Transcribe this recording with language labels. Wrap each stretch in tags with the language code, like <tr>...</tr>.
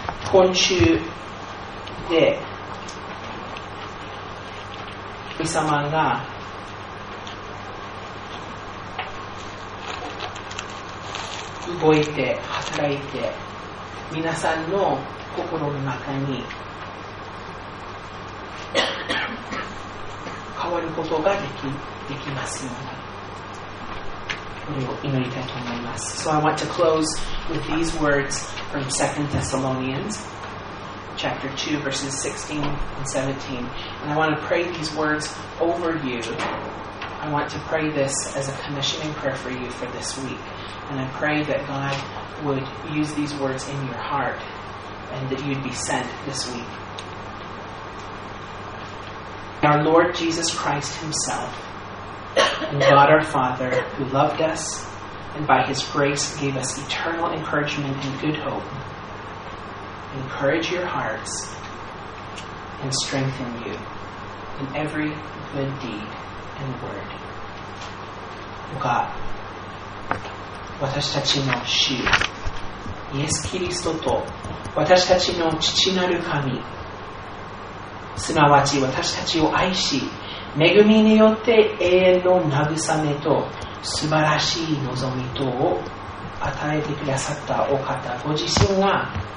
<ja>今週で神様が動いて働いて皆さんの心の中に変わることができできますように、これを祈りたいと思います。</ja> <en>So I want to close with these words from 2 Thessalonians chapter 2 verses 16 and 17, and I want to pray these words over you. I want to pray this as a commissioning prayer for you for this week, and I pray that GodWould use these words in your heart and that you'd be sent this week. Our Lord Jesus Christ Himself, and God our Father, who loved us and by His grace gave us eternal encouragement and good hope, encourage your hearts and strengthen you in every good deed and word.</en> <ja>God, 私たちの主イエス・キリストと私たちの父なる神、すなわち私たちを愛し恵みによって永遠の慰めと素晴らしい望みとを与えてくださったお方ご自身が、</ja>